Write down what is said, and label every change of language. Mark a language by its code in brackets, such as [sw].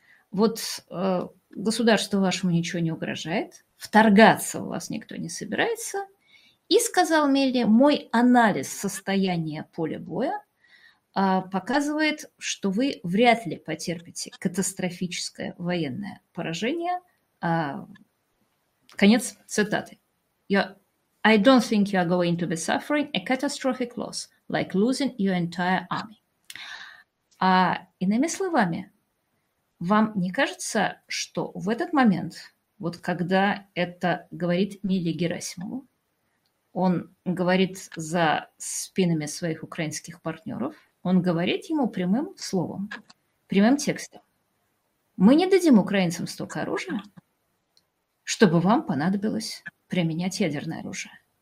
[ru] Вот государству вашему ничего не угрожает, вторгаться у вас никто не собирается». И сказал Милли: «Мой анализ состояния поля боя показывает, что вы вряд ли потерпите катастрофическое военное поражение». Конец цитаты. [en] «I don't think you are going to be suffering a catastrophic loss, like losing your entire army». [ru] А иными словами, вам не кажется, что в этот момент, вот когда это говорит Миле Герасимову, он говорит за спинами своих украинских партнеров, он говорит ему прямым словом, прямым текстом: «Мы не дадим украинцам столько оружия, чтобы вам понадобилось применять ядерное оружие.